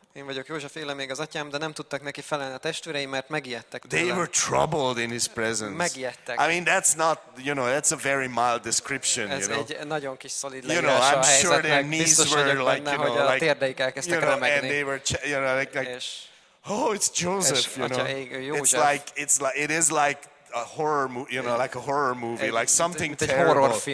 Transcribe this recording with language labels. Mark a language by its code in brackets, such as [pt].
[hu] Én vagyok József, éle még az atyám, de nem tudtak neki felelni a testvérei, mert megijedtek tőle. [en] They were troubled in his presence. [hu] Megijedtek. [en] I mean, that's not, you know, that's a very mild description, [hu] ez [en] you know. [hu] Ez egy nagyon kis szolid leírás, [en] you know, [hu] a helyzetnek. [en] Sure their knees [hu] biztos [en] were [hu] vagyok [en] like, [hu] benne, [en] you know, [hu] hogy [en] like, [hu] a térdeik elkezdtek remegni. [en] And they were, you know, like oh, it's Joseph, you know. It's like a horror movie, you know, like a horror movie, like something terrible.